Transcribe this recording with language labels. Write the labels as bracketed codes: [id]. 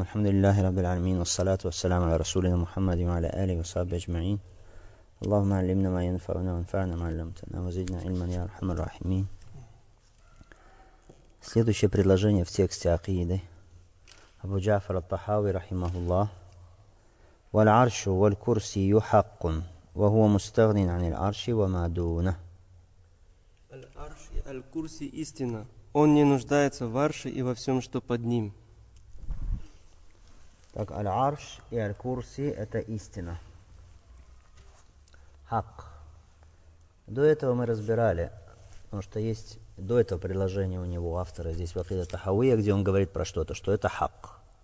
[ar] الحمد لله رب العالمين، والصلاة والسلام على رسولنا محمد وعلى آله وصحبه أجمعين. اللهم علمنا ما ينفعنا وانفعنا ما علمتنا وزدنا علما يا أرحم الراحمين. [ru] Следующее предложение в тексте Акиды Абу Джафар ат-Тахави [ar] رحمه الله. والعرش والكرسي حق وهو مستغن عن العرش وما دونه. العرش الكرسي [ru] истина. Он не нуждается в арше и во всем, что под ним. Так, аль-арш и аль-курси – это истина. Хак. До этого мы разбирали, потому что есть до этого предложение у него, автора, здесь в Акида Тахауия, где он говорит про что-то, что это хак.